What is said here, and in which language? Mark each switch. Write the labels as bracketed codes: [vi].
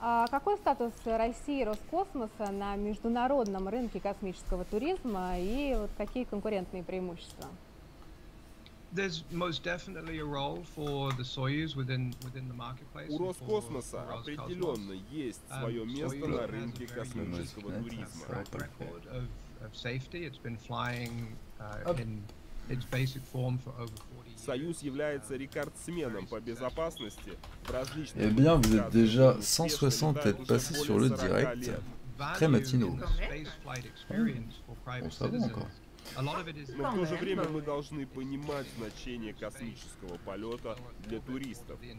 [ru] Какой статус России и Роскосмоса на международном рынке космического туризма и вот какие конкурентные преимущества? У Роскосмоса определенно есть свое место на рынке космического туризма. [en] Safety, it's been flying in its basic form for over 40 years. [ru] Союз является рекордсменом по безопасности в различных... [fr] Eh bien, vous êtes déjà 160 à être passé sur le direct. Très matinaux. Mmh. On s'en va encore. [ru] Но в то же время мы должны понимать значение космического полета для туристов.